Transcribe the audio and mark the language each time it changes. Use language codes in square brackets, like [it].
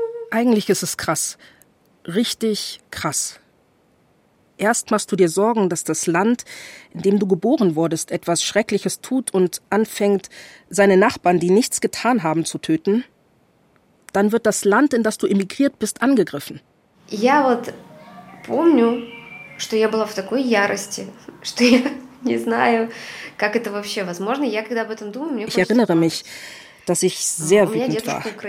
[de] Eigentlich ist es krass. Richtig krass. Erst machst du dir Sorgen, dass das Land, in dem du geboren wurdest, etwas Schreckliches tut und anfängt, seine Nachbarn, die nichts getan haben, zu töten. Dann wird das Land, in das du emigriert bist, angegriffen. [ru] Я вот помню, что я была в такой ярости, что я не знаю, как это вообще возможно. Я когда об этом думаю, мне. [de] Ich erinnere mich, dass ich sehr wütend war.